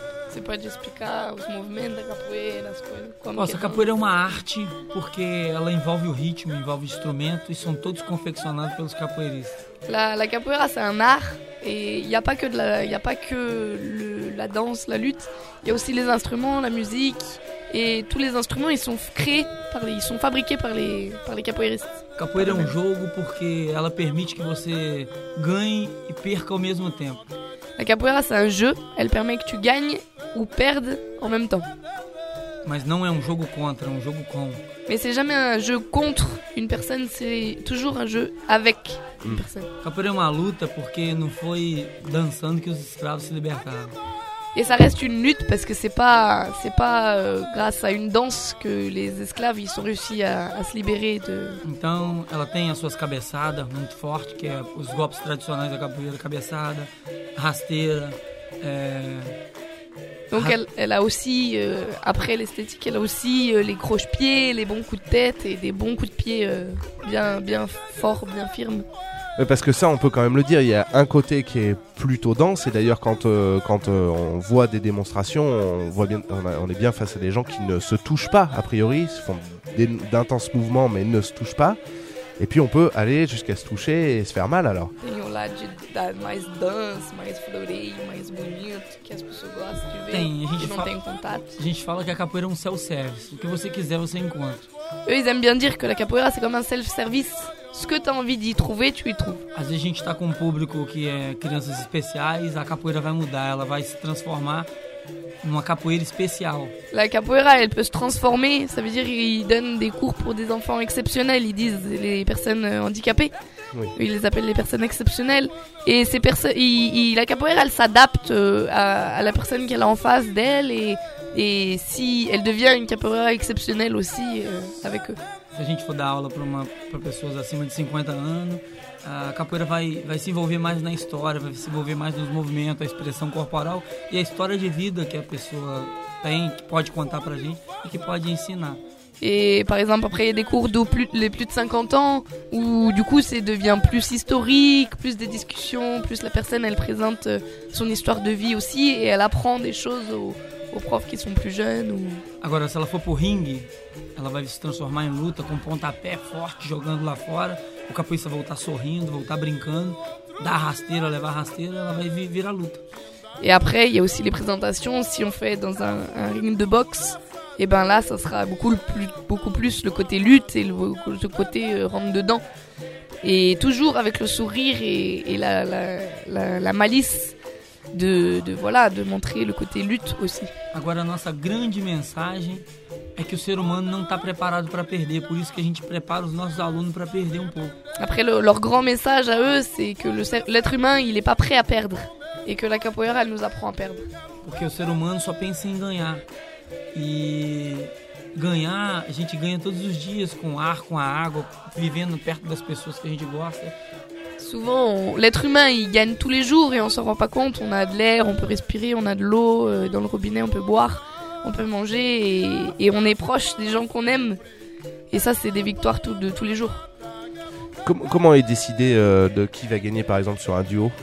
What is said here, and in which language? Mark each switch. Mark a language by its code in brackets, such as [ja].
[pt] Você pode explicar os movimentos da capoeira, as coisas? Nossa, a capoeira é uma arte porque ela envolve o ritmo, envolve o instrumento e são todos confeccionados pelos capoeiristas. [fr] La capoeira c'est un art et il y a pas que la danse, la lutte, il y a aussi les instruments, la musique et tous les instruments ils sont fabriqués par les capoeiristas. [pt] Capoeira é um jogo porque ela permite que você ganhe e perca ao mesmo tempo. [fr] La capoeira c'est un jeu, elle permet que tu gagnes ou perdes en même temps. [pt] Mas não é um jogo contra, é um jogo com. [fr] Mais c'est jamais un jeu contre une personne, c'est toujours un jeu avec une personne. [pt] Capoeira é uma luta porque não foi dançando que os escravos se libertaram. [fr] Et ça reste une lutte parce que c'est pas grâce à une danse que les esclaves ils sont réussi à se libérer de. [pt] Então, ela tem as suas cabeçadas muito fortes, que é os golpes tradicionais da capoeira, cabeçada, rasteira. [fr] Donc elle a aussi après l'esthétique, elle a aussi les croche-pieds, les bons coups de tête et des bons coups de pied bien bien forts, bien firmes. Parce que ça, on peut quand même le dire, il y a un côté qui est plutôt dense, et d'ailleurs, quand on voit des démonstrations, on est bien face à des gens qui ne se touchent pas, a priori, ils font d'intenses mouvements, mais ne se touchent pas. Et puis, on peut aller jusqu'à se toucher et se faire mal, alors. [pt] Tem um lado de mais dance, mais floreio, mais bonito, que as pessoas gostam de ver. Tem, a gente não tem contato. A gente fala que a capoeira é self-service. O que você quiser, você encontra. [fr] Eux, ils aiment bien dire que la capoeira, c'est comme self-service. Ce que tu as envie d'y trouver, tu y trouves. [pt] Às vezes, a gente está com um público que é crianças especiais, a capoeira vai mudar, ela vai se transformar numa capoeira especial. [fr] La capoeira, elle peut se transformer, ça veut dire qu'ils donnent des cours pour des enfants exceptionnels, ils disent les personnes handicapées. Oui. Ils les appellent les personnes exceptionnelles. Et ces la capoeira, elle s'adapte à la personne qu'elle a en face d'elle, et si elle devient une capoeira exceptionnelle aussi avec eux. [pt] Se a gente for dar aula para pessoas acima de 50 anos, a capoeira vai se envolver mais na história, vai se envolver mais nos movimentos, a expressão corporal e a história de vida que a pessoa tem, que pode contar para a gente e que pode ensinar. E, por exemplo, [fr] après il y a des cours de plus de 50 ans, où du coup, ça devient plus historique, plus des discussions, plus la personne elle présente son histoire de vie aussi et elle apprend des choses aux profs qui sont plus jeunes. [pt] Agora, se ela for pro ringue, ela vai se transformar em luta com pontapé forte, jogando lá fora. O capoeirista voltar sorrindo, voltar brincando, dar rasteira, levar rasteira, ela vai virar luta. [fr] E après, il y a aussi les présentations. Si on fait dans un ring de boxe, et ben là, ça sera beaucoup plus le côté lutte et le côté rentre dedans. Et toujours avec le sourire et la malice. De montrer le côté lutte aussi. [pt] Agora a nossa grande mensagem é que o ser humano não está preparado para perder, por isso que a gente prepara os nossos alunos para perder um pouco. [fr] Après leur grand message à eux, c'est que l'être humain, il est pas prêt à perdre et que la capoeira elle nous apprend à perdre. [pt] Porque o ser humano só pensa em ganhar. E ganhar, a gente ganha todos os dias com o ar, com a água, vivendo perto das pessoas que a gente gosta. [fr] Souvent, l'être humain, il gagne tous les jours et on ne s'en rend pas compte. On a de l'air, on peut respirer, on a de l'eau dans le robinet, on peut boire, on peut manger et on est proche des gens qu'on aime. Et ça, c'est des victoires de tous les jours. Comment est décidé de qui va gagner, par exemple, sur un duo ?